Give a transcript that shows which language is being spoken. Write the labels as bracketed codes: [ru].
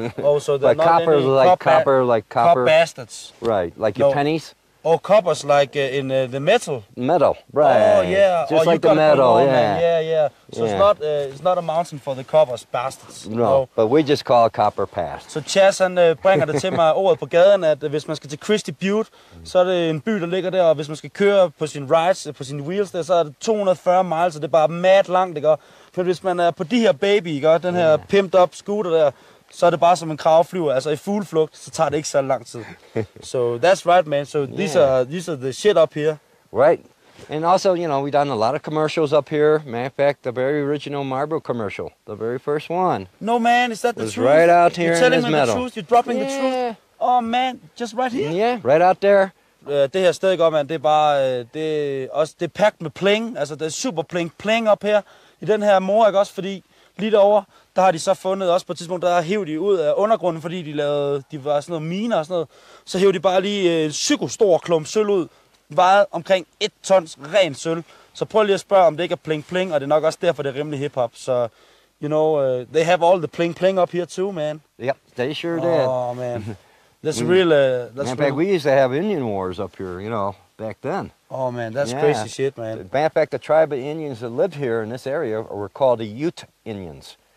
[en] Oh, so they're but not copper is like copper, like copper... Cop bastards. Right, like no. Your pennies? Oh, coppers like in the metal. Metal, right. Oh, yeah. Just oh, like the metal, yeah. Yeah, yeah. So yeah. It's not a mountain for the coppers, bastards. No, no, but we just call it Copper Pass. [da] So Chaz, han bringer det til mig ordet på gaden, at hvis man skal til Christie Butte, så er det en by, der ligger der, og hvis man skal køre på sin rides, på sine wheels der, så er det 240 miles, så det er bare mad langt, ikke? For hvis man er på de her baby, ikke? Den her yeah. Pimped up scooter der, så er det bare som en kraveflyver, altså i fugleflugt, så tager det ikke så lang tid. [en] So that's right, man. So these are the shit up here. Right. And also, you know, we've done a lot of commercials up here. Matter of fact, the very original Marlboro commercial, the very first one. No, man, is that the was truth? Right out here. You're telling in this metal. The truth? You're dropping yeah. The truth? Oh, man, just right here? Yeah, right out there. [da] Det her sted, man, det er bare, det er også, det er packed med pling. Altså, der er super pling [en] up here. [da] I den her mor, ikke også, fordi lige derovre, der har de så fundet også på et tidspunkt, der hæv de ud af undergrunden, fordi de var sådan noget miner og sådan noget. Så hæv de bare lige en psykostor klump sølv ud, vejet omkring 1 tons ren sølv. Så prøv lige at spørge, om det ikke er pling-pling, og det er nok også derfor, det er rimelig hip-hop. [en] Så, you know, they have all the pling-pling up here too, man. Yep, they sure did. Oh, man. That's real. That's in fact, we used to have Indian wars up here, you know, back then. Oh, man, that's yeah. Crazy shit, man. In fact, the tribe of Indians that lived here in this area were called the Ute Indians.